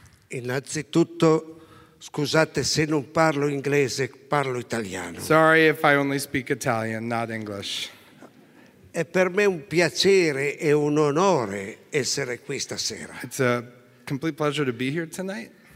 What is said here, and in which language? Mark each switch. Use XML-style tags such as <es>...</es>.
<it>Innanzitutto, scusate se non parlo inglese, parlo italiano.</it> <en>Sorry if I only speak Italian, not English.</en> <it>È per me un piacere e un onore essere qui stasera.</it> <en>It's a complete pleasure to be here tonight.</en>